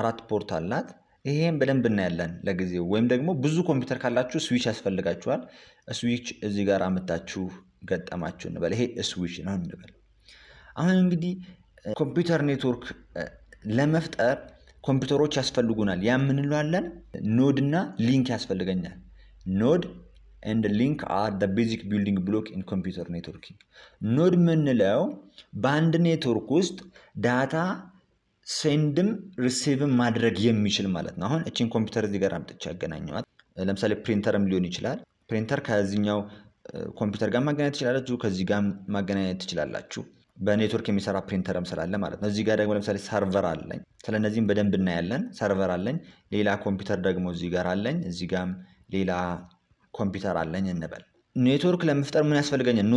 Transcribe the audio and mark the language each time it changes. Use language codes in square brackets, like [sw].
[am] ፖርት አላት ይሄን በደንብ እናያለን ለጊዜው ወይም ደግሞ ብዙ ኮምፒውተር ካላችሁ ስዊች ያስፈልጋችኋል ስዊች እዚህ ጋር አመጣችሁ ገጠማችሁ እንበል ይሄ ስዊች ነው እንበል አሁን እንግዲህ ኮምፒውተር ኔትወርክ ለመፍጠር ኮምፒውተሮች ያስፈልጉናል። ያ ምን እንለዋለን? ኖድ እና ሊንክ ያስፈልገኛል። ኖድ [en] and the link are the basic building block in computer networking. [am] ኖድ ምንለው በአንድ ኔትወርክ ውስጥ ዳታ ሴንድም ሪሲቭም ማድረግ የሚችል ማለት ነው። አሁን እቺን ኮምፒውተር እዚህ ጋር አምጥቼ አገናኘዋት። ለምሳሌ ፕሪንተርም ሊሆን ይችላል። ፕሪንተር ከዚህኛው ኮምፒውተር ጋር ማገናኘት ይችላልችሁ፣ ከዚህ ጋር ማገናኘት ይችላልችሁ። በኔትወርክ የሚሰራ ፕሪንተርም ስላለ ማለት ነው። እዚህ ጋር ደግሞ ለምሳሌ ሰርቨር አለኝ። ስለነዚህም በደንብ እናያለን። ሰርቨር አለኝ፣ ሌላ ኮምፒውተር ደግሞ እዚህ ጋር አለኝ፣ እዚህ ጋርም ሌላ ኮምፒውተር አለኝ እንበል። ኔትወርክ ለመፍጠር ምን ያስፈልገኛል?